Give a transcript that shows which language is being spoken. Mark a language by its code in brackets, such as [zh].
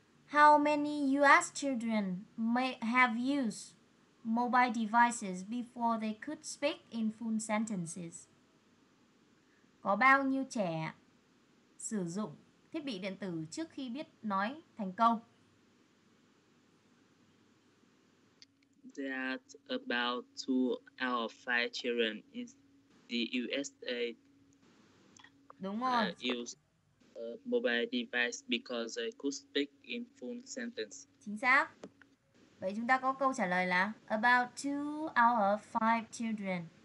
[en] How many US children may have used mobile devices before they could speak in full sentences? [vi] Có bao nhiêu trẻ sử dụng thiết bị điện tử trước khi biết nói thành câu? [en] That about 2 out of 5 children in the USA use a mobile device because they could speak in full sentence. [vi] Chính xác. Vậy chúng ta có câu trả lời là [en] about 2 out of 5 children.